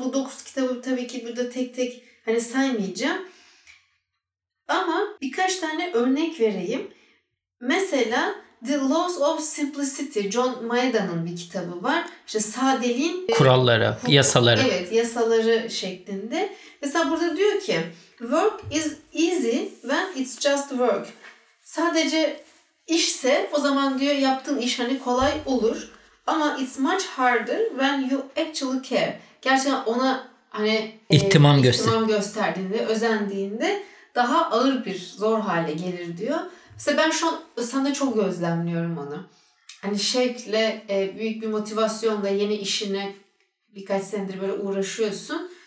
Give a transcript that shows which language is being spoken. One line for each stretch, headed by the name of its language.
Turkish: Bu 9 kitabı tabii ki burada tek tek hani saymayacağım. Ama birkaç tane örnek vereyim. Mesela The Laws of Simplicity, John Maeda'nın bir kitabı var. İşte sadeliğin kuralları, yasaları. Evet, yasaları şeklinde. Mesela burada diyor ki
English: work is easy when it's just work.
Turkish: Sadece işse o zaman diyor yaptığın iş hani kolay olur.
English: Ama it's much harder when you actually care.
Turkish: Gerçekten ona hani ihtimam gösterdiğinde, özendiğinde daha ağır bir zor hale gelir diyor. Mesela ben şu an sana çok gözlemliyorum onu. Hani şevkle, büyük bir motivasyonla yeni işine birkaç senedir böyle uğraşıyorsun.